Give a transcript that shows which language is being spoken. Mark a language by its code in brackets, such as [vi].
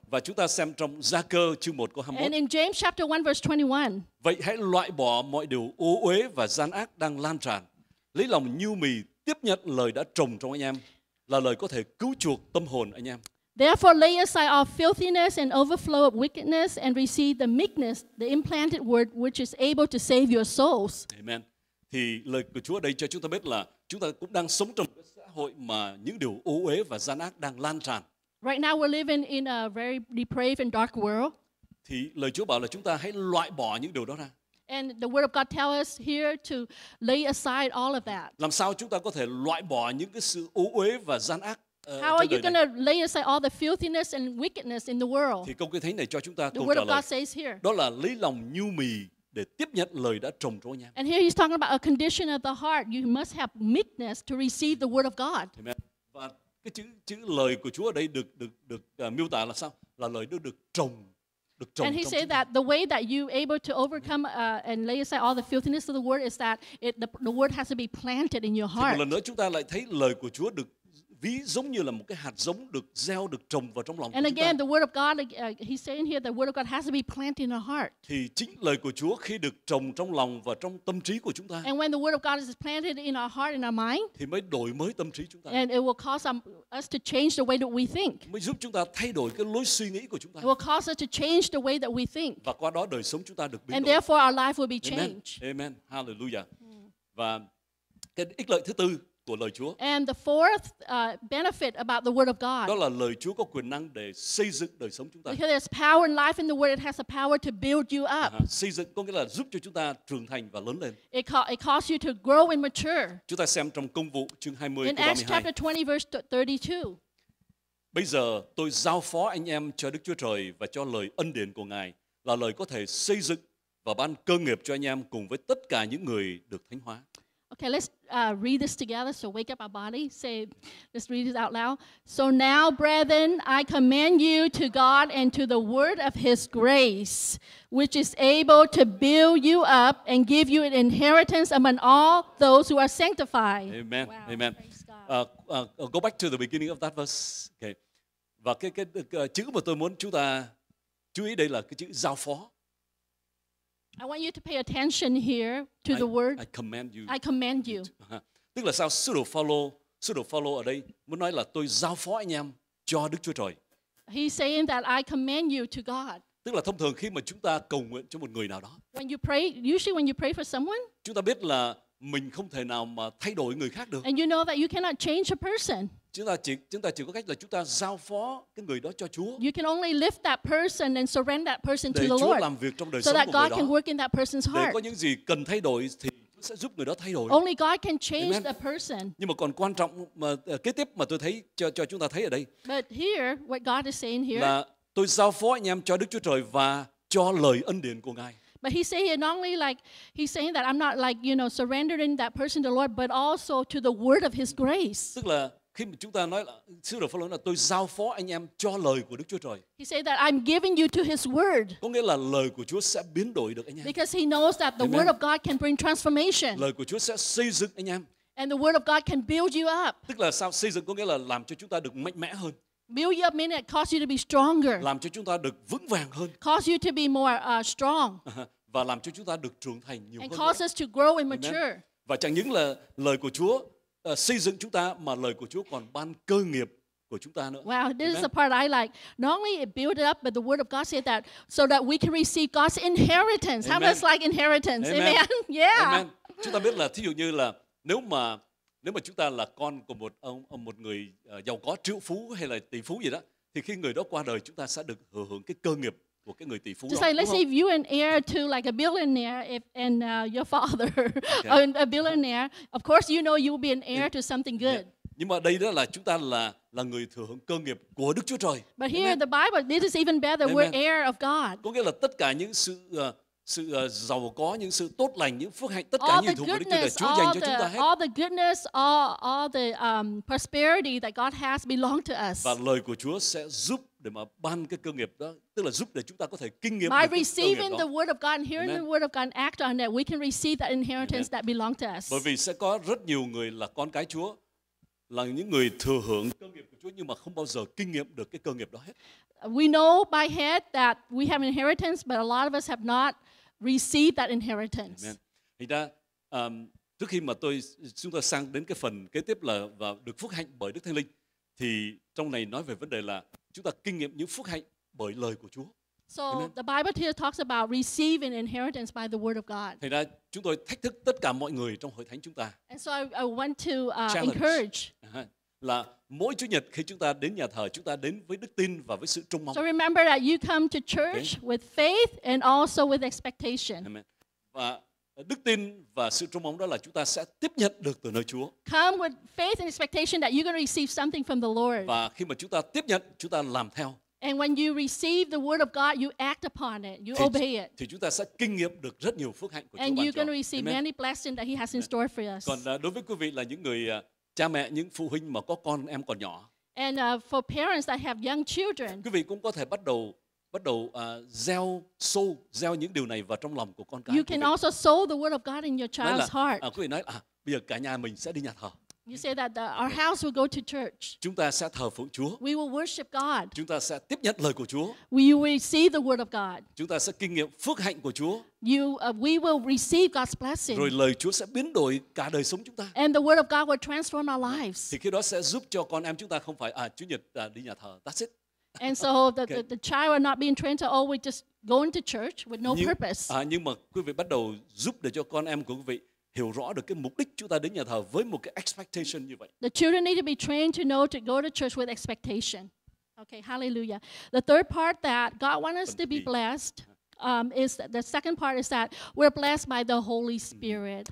[vi] Và chúng ta xem trong Gia-cơ chương 1 câu 21. [en] And in James chapter 1 verse 21. [vi] Vậy hãy loại bỏ mọi điều ô uế và gian ác đang lan tràn. Lấy lòng nhu mì tiếp nhận lời đã trồng trong anh em là lời có thể cứu chuộc tâm hồn anh em. [en] Therefore, lay aside all filthiness and overflow of wickedness and receive the meekness, the implanted word, which is able to save your souls. Amen. [vi] Thì lời của Chúa đây cho chúng ta biết là chúng ta cũng đang sống trong một xã hội mà những điều ô uế và gian ác đang lan tràn. [en] Right now, we're living in a very depraved and dark world. [vi] Thì lời Chúa bảo là chúng ta hãy loại bỏ những điều đó ra. [en] And the word of God tells us here to lay aside all of that. [vi] Làm sao chúng ta có thể loại bỏ những cái sự ô uế và gian ác? [en] How are you going to lay aside all the filthiness and wickedness in the world? [vi] Thì câu kinh thánh này cho chúng ta câu trả lời. [en] The word of God says here. [vi] Đó là lấy lòng nhu mì để tiếp nhận lời đã trồng trong anh em. [en] And here he's talking about a condition of the heart. You must have meekness to receive the word of God. Amen. [vi] Và cái chữ lời của Chúa ở đây được miêu tả là sao? Là lời được trồng. [en] And he said that the way that you able to overcome and lay aside all the filthiness of the word is that the word has to be planted in your heart. [vi] Thì một lần nữa chúng ta lại thấy lời của Chúa được ví giống như là một cái hạt giống được gieo, được trồng vào trong lòng [en] and [vi] của [en] again, [vi] chúng ta. [en] The word of God, he's saying here, the word of God has to be planted in our heart. [vi] Thì chính lời của Chúa khi được trồng trong lòng và trong tâm trí của chúng ta. [en] And when the word of God is planted in our heart and our mind. [vi] Thì mới đổi mới tâm trí chúng ta. [en] And it will cause us to change the way that we think. [vi] Mới giúp chúng ta thay đổi cái lối suy nghĩ của chúng ta. [en] It will cause us to change the way that we think. [vi] Và qua đó đời sống chúng ta được biến [en] and [vi] đổi. [en] And therefore our life will be changed. [vi] Amen. Hallelujah. Và cái ích lợi thứ tư. Của lời Chúa. [en] And the fourth benefit about the word of God. [vi] Đó là lời Chúa có quyền năng để xây dựng đời sống chúng ta. [en] Because there's power in life in the word, it has the power to build you up. [vi] Xây dựng có nghĩa là giúp cho chúng ta trưởng thành và lớn lên. [en] It causes you to grow and mature. [vi] Chúng ta xem trong Công vụ chương 20 câu 32. [en] In Acts chapter 20 verse 32. [vi] Bây giờ tôi giao phó anh em cho Đức Chúa Trời và cho lời ân điển của Ngài là lời có thể xây dựng và ban cơ nghiệp cho anh em cùng với tất cả những người được thánh hóa. [en] Okay, let's read this together. So wake up our body. Say, let's read this out loud. So now, brethren, I commend you to God and to the word of his grace, which is able to build you up and give you an inheritance among all those who are sanctified. Amen. Wow. Amen. Go back to the beginning of that verse. Okay. [vi] Và cái chữ mà tôi muốn chúng ta chú ý đây là cái chữ giao phó. [en] I want you to pay attention here to the word. I commend you. I commend you. [vi] Tức là sao? Sư đồ Phaolô ở đây muốn nói là tôi giao phó anh em cho Đức Chúa Trời. [en] He's saying that I commend you to God. [vi] Tức là thông thường khi mà chúng ta cầu nguyện cho một người nào đó. [en] When you pray, usually when you pray for someone. [vi] Chúng ta biết là mình không thể nào mà thay đổi người khác được. [en] And you know that you cannot change a person. [vi] Chúng ta chỉ có cách là chúng ta giao phó cái người đó cho Chúa. [en] You can only lift that person and surrender that person to the Lord. [vi] Để Chúa làm việc trong đời sống của người đó. [en] So that God can work in that person's heart. [vi] Để có những gì cần thay đổi thì Chúa sẽ giúp người đó thay đổi. [en] Only God can change the person. [vi] Nhưng mà còn quan trọng mà kế tiếp mà tôi thấy cho chúng ta thấy ở đây. [en] But here what God is saying here. [vi] Là tôi giao phó anh em cho Đức Chúa Trời và cho lời ân điển của Ngài. [en] But he's saying here, not only like he's saying that I'm not like, you know, surrendering that person to the Lord, but also to the word of his grace. [vi] Tức là khi mà chúng ta nói là sứ đồ Phaolô là tôi giao phó anh em cho lời của Đức Chúa Trời. [en] He said that I'm giving you to his word. [vi] Có nghĩa là lời của Chúa sẽ biến đổi được anh em. [en] Because he knows that the word of God can bring transformation. [vi] Lời của Chúa sẽ xây dựng anh em. [en] And the word of God can build you up. [vi] Tức là sao xây dựng có nghĩa là làm cho chúng ta được mạnh mẽ hơn. [en] Build you up means it causes you to be stronger. [vi] Làm cho chúng ta được vững vàng hơn. [en] Cause you to be more strong. [vi] Và làm cho chúng ta được trưởng thành nhiều [en] and [vi] hơn. [en] And causes us to grow and mature. [vi] Và chẳng những là lời của Chúa xây dựng chúng ta mà lời của Chúa còn ban cơ nghiệp của chúng ta nữa. [en] Wow, this is the part I like. Not only it build it up, but the word of God said that so that we can receive God's inheritance. Amen. How much like inheritance? Amen. Amen. Yeah. Amen. [vi] Chúng ta biết là thí dụ như là nếu mà chúng ta là con của một người giàu có triệu phú hay là tỷ phú gì đó, thì khi người đó qua đời chúng ta sẽ được hưởng cái cơ nghiệp của cái người tỷ phú. [en] Just [vi] đó, [en] like let's say if you an heir to like a billionaire, if and your father okay. A billionaire, of course you know you'll be an heir to something good. Yeah. [vi] Nhưng mà đây đó là chúng ta là người thừa hưởng cơ nghiệp của Đức Chúa Trời. [en] But here Amen. The Bible, this is even better. Amen. We're heir of God. [vi] Có nghĩa là tất cả những sự giàu có, những sự tốt lành, những phước hạnh, tất cả những thứ Đức Chúa Trời Chúa dành cho chúng ta hết. [en] All the goodness, all the prosperity that God has belong to us. [vi] Và lời của Chúa sẽ giúp để mà ban cái cơ nghiệp đó, tức là giúp để chúng ta có thể kinh nghiệm [en] by receiving the word of God and hearing the word of God and act on it, we can receive that inheritance that belongs to us. [vi] Bởi vì sẽ có rất nhiều người là con cái Chúa, là những người thừa hưởng cơ nghiệp của Chúa nhưng mà không bao giờ kinh nghiệm được cái cơ nghiệp đó hết. [en] We know by head that we have inheritance, but a lot of us have not received that inheritance. Amen. [vi] Thì ra, trước khi mà chúng ta sang đến cái phần kế tiếp là và được phước hạnh bởi Đức Thánh Linh, thì trong này nói về vấn đề là chúng ta kinh nghiệm những phước hạnh bởi lời của Chúa. [en] So Amen. The Bible here talks about receiving inheritance by the word of God. [vi] Thì ra chúng tôi thách thức tất cả mọi người trong hội thánh chúng ta. [en] And so I want to encourage. [vi] Là mỗi Chủ nhật khi chúng ta đến nhà thờ, chúng ta đến với đức tin và với sự trông mong. [en] So remember that you come to church with faith and also with expectation. Amen. [vi] Và đức tin và sự trông mong đó là chúng ta sẽ tiếp nhận được từ nơi Chúa. [en] Come with faith and expectation that you're going to receive something from the Lord. [vi] Và khi mà chúng ta tiếp nhận, chúng ta làm theo. [en] And when you receive the word of God, you act upon it, you obey it. [vi] Thì chúng ta sẽ kinh nghiệm được rất nhiều phước hạnh của Chúa. [en] And you're going to receive many blessings that He has in store for us. [vi] Còn đối với quý vị là những người cha mẹ, những phụ huynh mà có con em còn nhỏ. [en] And for parents that have young children. [vi] Quý vị cũng có thể bắt đầu gieo sow, gieo những điều này vào trong lòng của con cái. [en] You can also sow the word of God in your child's heart. [vi] Quý vị nói bây giờ cả nhà mình sẽ đi nhà thờ. [en] You say that our house will go to church. [vi] Chúng ta sẽ thờ phượng Chúa. [en] We will worship God. [vi] Chúng ta sẽ tiếp nhận lời của Chúa. [en] We will receive the word of God. [vi] Chúng ta sẽ kinh nghiệm phước hạnh của Chúa. [en] We will receive God's blessing. [vi] Rồi lời Chúa sẽ biến đổi cả đời sống chúng ta. [en] And the word of God will transform our lives. [vi] Thì khi đó sẽ giúp cho con em chúng ta không phải Chủ nhật đi nhà thờ. [en] That's it. And so the child will not be trained to always just go into church with no purpose. [vi] Nhưng mà quý vị bắt đầu giúp để cho con em của quý vị hiểu rõ được cái mục đích chúng ta đến nhà thờ với một cái expectation như vậy. [en] The children need to be trained to know to go to church with expectation. Okay, hallelujah. The third part that God wants us to be blessed is the second part is that we're blessed by the Holy Spirit.